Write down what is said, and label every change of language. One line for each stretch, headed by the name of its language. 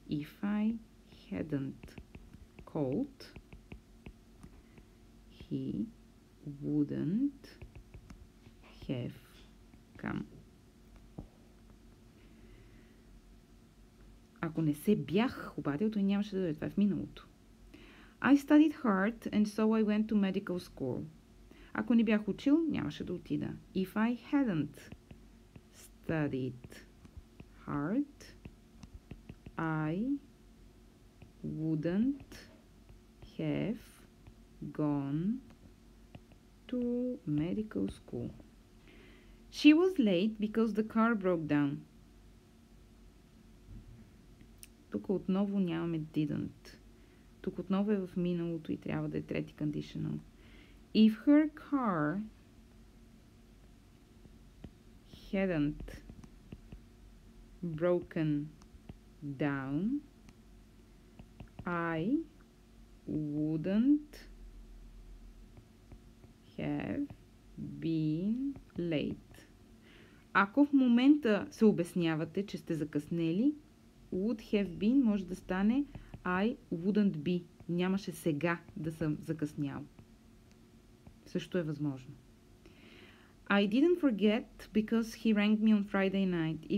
English: If I hadn't called, he wouldn't have come.
Bulgarian: Ако не се бях обадил, той нямаше да дойде. Това е в миналото.
English: I studied hard and so I went to medical school.
Bulgarian: Ако не бях учил, нямаше да отида.
English: If I hadn't studied hard, I wouldn't have gone to medical school. She was late because the car broke down.
Bulgarian: Тук отново нямаме didn't. Тук отново е в миналото и трябва да е трети conditional.
English: If her car hadn't broken down, I wouldn't have been late.
Bulgarian: Ако в момента се обяснявате, че сте закъснели,
English: would have been
Bulgarian: може да стане
English: I wouldn't be.
Bulgarian: Нямаше сега да съм закъснял. Също е възможно.
English: I didn't forget because he rang me on Friday night.